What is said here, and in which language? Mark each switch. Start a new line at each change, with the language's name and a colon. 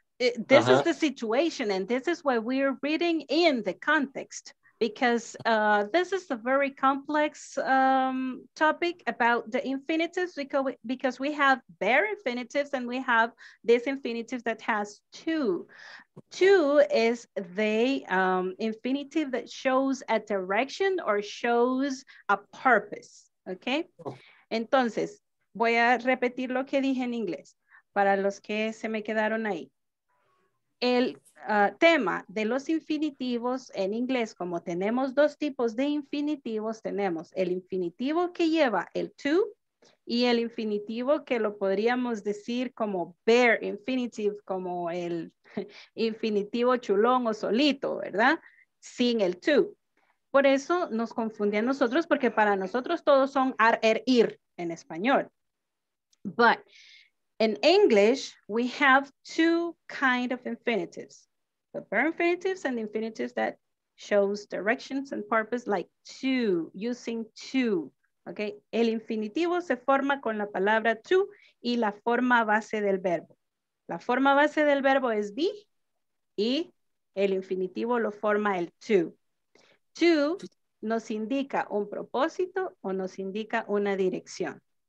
English: This is the situation, and this is why we're reading in the context, because this is a very complex topic about the infinitives, because we have bare infinitives and we have this infinitive that has two. Two is the infinitive that shows a direction or shows a purpose, okay?
Spanish: Entonces, voy a repetir lo que dije en inglés para los que se me quedaron ahí. El tema de los infinitivos en inglés, como tenemos dos tipos de infinitivos, tenemos el infinitivo que lleva el to y el infinitivo que lo podríamos decir como bare infinitive, como el infinitivo chulón o solito, ¿verdad? Sin el to. Por eso nos confunde a nosotros, porque para nosotros todos son ar, er, ir en español.
English: But in English, we have two kind of infinitives. The bare infinitives and the infinitives that shows directions and purpose, like to, using to.
Spanish: Okay, el infinitivo se forma con la palabra to y la forma base del verbo. La forma base del verbo es be y el infinitivo lo forma el to. To nos indica un propósito o nos indica una dirección.